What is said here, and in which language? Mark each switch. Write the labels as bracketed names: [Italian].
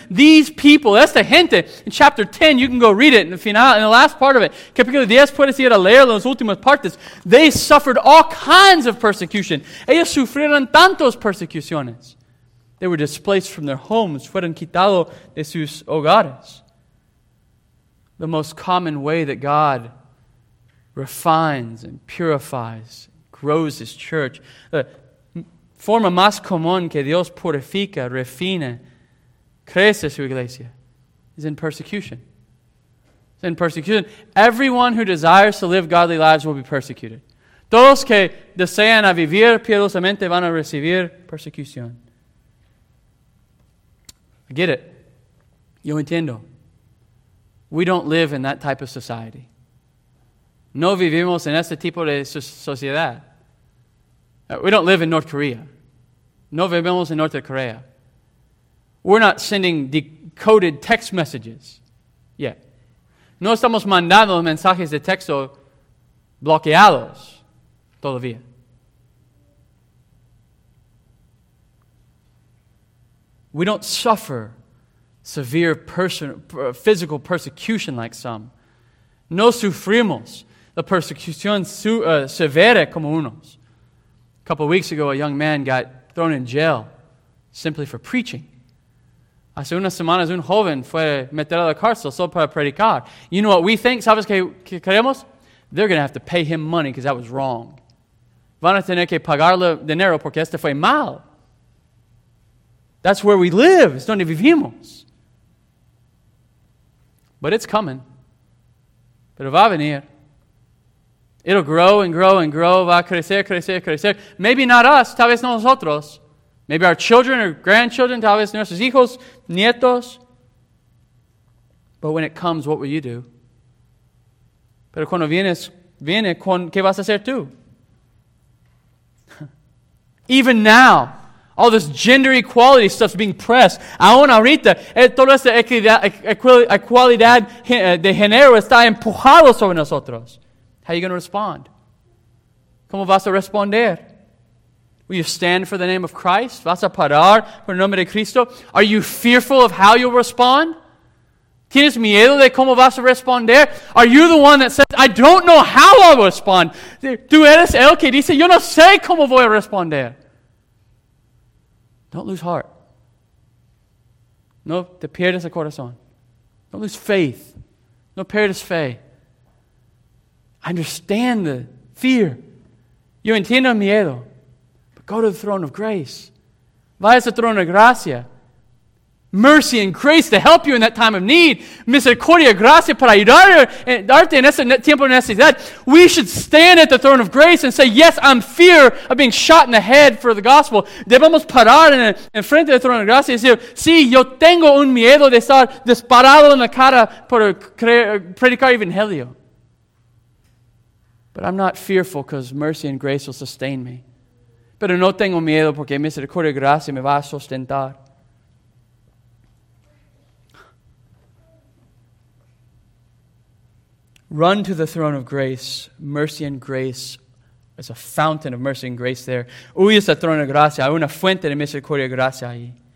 [English] These people, [Spanish] esta gente, [English] in chapter 10, you can go read it in the final, in the last part of it. [Spanish] Capítulo 10, puedes ir a leerlo en las últimas partes. [English] They suffered all kinds of persecution. [Spanish] Ellos sufrieron tantas persecuciones. [English] They were displaced from their homes. [Spanish] Fueron quitados de sus hogares. [English] The most common way that God refines and purifies, grows his church. [Spanish] Forma más común que Dios purifica, refina, crece su iglesia, [English] is in persecution. It's in persecution. Everyone who desires to live godly lives will be persecuted. [Spanish] Todos que desean a vivir piadosamente van a recibir persecución. [English] I get it. [Spanish] Yo entiendo. [English] We don't live in that type of society. [Spanish] No vivimos en este tipo de sociedad. [English] We don't live in North Korea. [Spanish] No vivimos en North Korea. [English] We're not sending decoded text messages yet. [Spanish] No estamos mandando mensajes de texto bloqueados todavía. [English] We don't suffer severe physical persecution like some. [Spanish] No sufrimos la persecución severa como unos. [English] A couple of weeks ago, a young man got thrown in jail simply for preaching. [Spanish] Hace unas semanas un joven fue metido a la cárcel solo para predicar. [English] You know what we think? [Spanish] ¿Sabes qué creemos? [English] They're going to have to pay him money because that was wrong. [Spanish] Van a tener que pagarle dinero porque este fue mal. [English] That's where we live. [Spanish] Es donde vivimos. [English] But it's coming. [Spanish] Pero va a venir. [English] It'll grow and grow and grow. [Spanish] Va a crecer, crecer, crecer. [English] Maybe not us. [Spanish] Tal vez no nosotros. [English] Maybe our children or grandchildren. [Spanish] Tal vez nuestros hijos, nietos. [English] But when it comes, what will you do? [Spanish] Pero cuando viene, ¿qué vas a hacer tú? [English] Even now, all this gender equality stuff's being pressed. [Spanish] Aún ahorita, toda esta equidad de género está empujado sobre nosotros. [English] How are you going to respond? [Spanish] ¿Cómo vas a responder? [English] Will you stand for the name of Christ? [Spanish] ¿Vas a parar por el nombre de Cristo? [English] Are you fearful of how you'll respond? [Spanish] ¿Tienes miedo de cómo vas a responder? [English] Are you the one that says, I don't know how I'll respond? [Spanish] ¿Tú eres el que dice, yo no sé cómo voy a responder? [English] Don't lose heart. [Spanish] No te pierdas el corazón. [English] Don't lose faith. [Spanish] No pierdas fe. [English] I understand the fear. [Spanish] Yo entiendo el miedo. [English] But go to the throne of grace. [Spanish] Vaya al trono de gracia. [English] mercy and grace to help you in that time of need. [Spanish] Misericordia, gracia para ayudarte en ese tiempo de necesidad. [English] We should stand at the throne of grace and say, yes, I'm fear of being shot in the head for the gospel. [Spanish] Debemos parar en frente del trono de gracia y decir, sí, yo tengo un miedo de estar disparado en la cara por predicar evangelio. [English] But I'm not fearful because mercy and grace will sustain me. [Spanish] Pero no tengo miedo porque misericordia y gracia me va a sustentar. [English] Run to the throne of grace. Mercy and grace. There's a fountain of mercy and grace there. [Spanish] Huyes al trono de gracia. Hay una fuente de misericordia y gracia ahí.